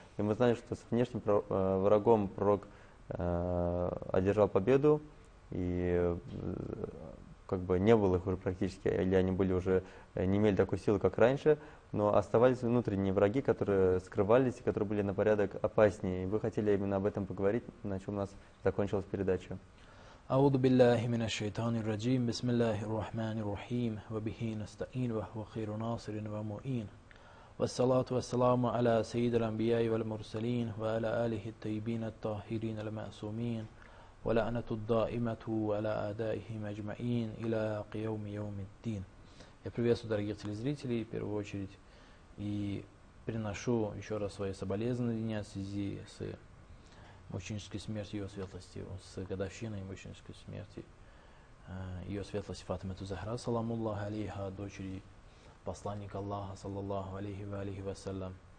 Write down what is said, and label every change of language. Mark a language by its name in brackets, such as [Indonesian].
[Russian] И мы знали, что с внешним врагом пророк одержал победу, и как бы не было их уже практически, или они были уже, не имели такой силы, как раньше, но оставались внутренние враги, которые скрывались и которые были на порядок опаснее. И вы хотели именно об этом поговорить, на чем у нас закончилась передача. [Arabic] أعوذ بالله من الشيطان الرجيم بسم الله الرحمن الرحيم وبه نستعين وهو خير ناصر ومعين والصلاة والسلام على سيد الأنبياء والمرسلين وعلى آله الطيبين الطاهرين المعصومين ولعنة الدائمة على أعدائهم أجمعين إلى قيام يوم الدين. [Russian] Я приветствую дорогих телезрителей в первую очередь и приношу еще раз свои соболезнования в связи с мученической смертью ее светлости, с годовщиной мученической смерти ее светлости Фатима Тузахра, саламуллаху алейха, дочери посланника Аллаха, саллаллаху алейхи ва алейхи ва саллям.